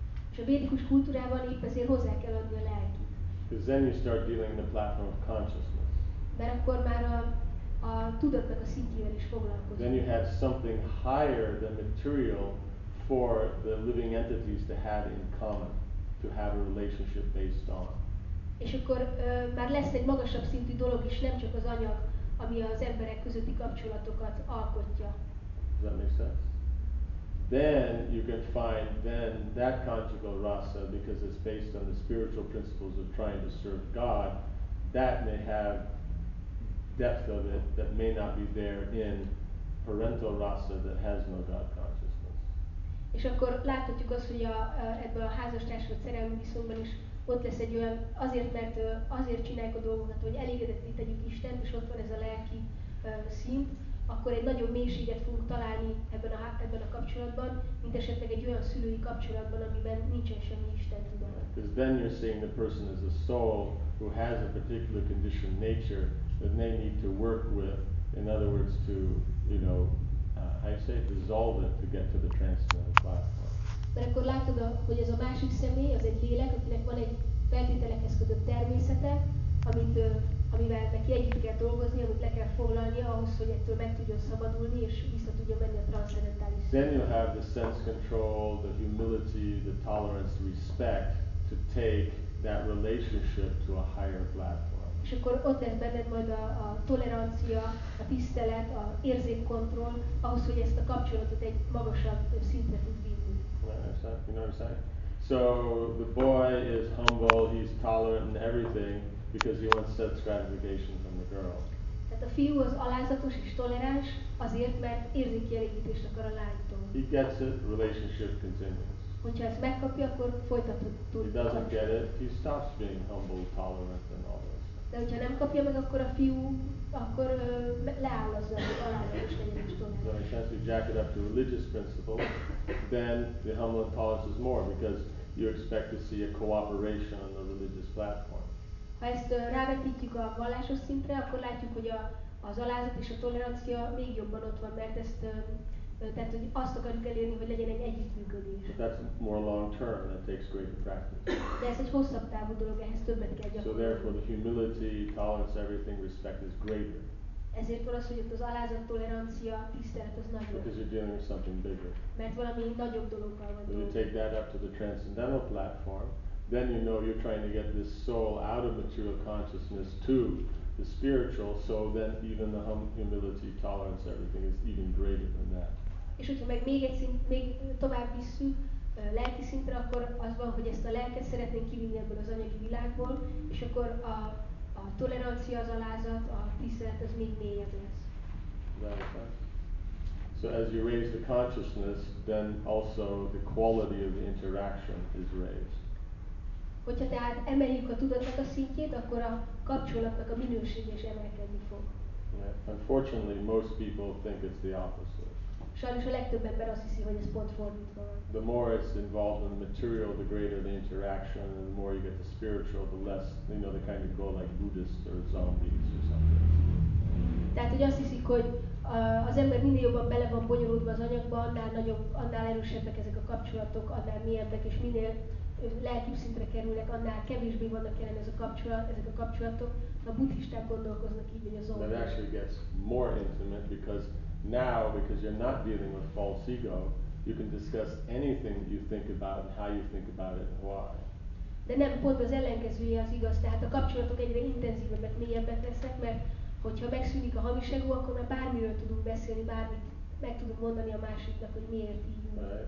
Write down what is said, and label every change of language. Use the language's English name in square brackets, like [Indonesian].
[Hungarian] És a védikus kultúrában épp ezért hozzá kell adni a lelkit. [English] Because then you start dealing in the platform of consciousness. [Hungarian] Mert akkor már a tudatnak a szintjével is foglalkozunk. [English] Then you have something higher than material for the living entities to have in common, to have a relationship based on. [Hungarian] És akkor már lesz egy magasabb szintű dolog is, nem csak az anyag, ami az emberek közötti kapcsolatokat alkotja. [English] Does that make sense? Then you can find then that conjugal rasa, because it's based on the spiritual principles of trying to serve God, that may have depth of it that may not be there in parental rasa that has no God consciousness. [Hungarian] És akkor láthatjuk azt, hogy ebből a házastárs vagy szerelmi viszonyban is ott lesz egy olyan, azért mert azért csinálják a dolgokat, hogy elégedetté tegyük Istent, és ott van ez a lelki szint, akkor egy nagyon mélységet fogunk találni ebben a kapcsolatban, mint esetleg egy olyan szülői kapcsolatban, amiben nincsen semmi Isten tudat. [English] Because then you're saying the person is a soul who has a particular conditioned nature that they need to work with, in other words, to, you know, how you say it, dissolve it to get to the transcendental platform. [Hungarian] Mert akkor látod, hogy ez a másik személy, az egy lélek, akinek van egy feltételekhez kötött természete, amivel neki együtt kell dolgozni, amit le kell foglalnia ahhoz, hogy ettől meg tudjon szabadulni, és vissza tudjon menni a transzendentális. [English] Then you have the sense control, the humility, the tolerance, respect to take that relationship to a higher platform. [Hungarian] És akkor ott lesz benned majd a tolerancia, a tisztelet, a érzékkontroll ahhoz, hogy ezt a kapcsolatot egy magasabb szintre tud vinni. [English] You know what I'm saying? So the boy is humble, he's tolerant and everything because he wants such gratification from the girl. [Hungarian] Tehát a fiú az alázatos és toleráns azért, mert érzékielégítést akar a lánytól. [English] He gets it, relationship continues. [Hungarian] Hogyha ezt megkapja, akkor folytatod. [English] He doesn't get it, he stops being humble, tolerant and all this. [Hungarian] De hogyha nem kapja meg, akkor a fiú, akkor leáll az, hogy alázatos legyen és toleráns. [English] Since you jack it up to religious principles, then the humble tolerance is more because you expect to see a cooperation on the religious platform. [Hungarian] Ha ezt rávetítjük a vallásos szintre, akkor látjuk, hogy az alázat és a tolerancia még jobban ott van, mert ezt tehát, hogy azt akarjuk elérni, hogy legyen egy együttműködés. [English] But that's more long term, that takes greater practice. [Hungarian] De ez egy hosszabb távú dolog, ehhez többet kell gyakorolni. [English] So therefore the humility, tolerance, everything, respect is greater. [Hungarian] Ezért van az, hogy ott az alázat, tolerancia, tisztelet az nagyobb. [English] Because you're dealing with something bigger. [Hungarian] Mert valami nagyobb dologgal van. [English] When you take that up to the transcendental platform, then you know you're trying to get this soul out of material consciousness to the spiritual, so then even the humility, tolerance, everything is even greater than that. [Hungarian] És hogyha meg még egy szint, még tovább visszük lelki szintre, akkor az van, hogy ezt a lelket szeretnénk kivinni ebből az anyagi világból, és akkor a tolerancia, az alázat, a tisztelet, az még mélyebb lesz. [English] So as you raise the consciousness, then also the quality of the interaction is raised. [Hungarian] Hogyha tehát emeljük a tudatnak a szintjét, akkor a kapcsolatnak a minősége is emelkedni fog. [English] Unfortunately, most people think it's the opposite. [Hungarian] Sajnos a legtöbb ember azt hiszi, hogy ez pont fordítva. [English] The more it's involved in the material, the greater the interaction, and the more you get the spiritual, the less, you know, the kind of go like Buddhists or zombies or something. [Hungarian] Tehát, hogy azt hiszik, hogy az ember minél jobban bele van bonyolódva az anyagba, annál nagyobb, annál erősebbek ezek a kapcsolatok, annál mélyebbek, és minél lelki szintre kerülnek, annál kevésbé vannak jelen ez a kapcsolat, ezek a kapcsolatok. A buddhisták gondolkoznak így, hogy az ott. [English] That actually gets more intimate because now, because you're not dealing with false ego, you can discuss anything you think about and how you think about it and why. [Hungarian] De nem pont az ellenkezője az igaz, tehát a kapcsolatok egyre intenzívebbek, mélyebbek lesznek, mert hogyha megszűnik a hamis ego, akkor már bármiről tudunk beszélni, bármit meg tudunk mondani a másiknak, hogy miért így.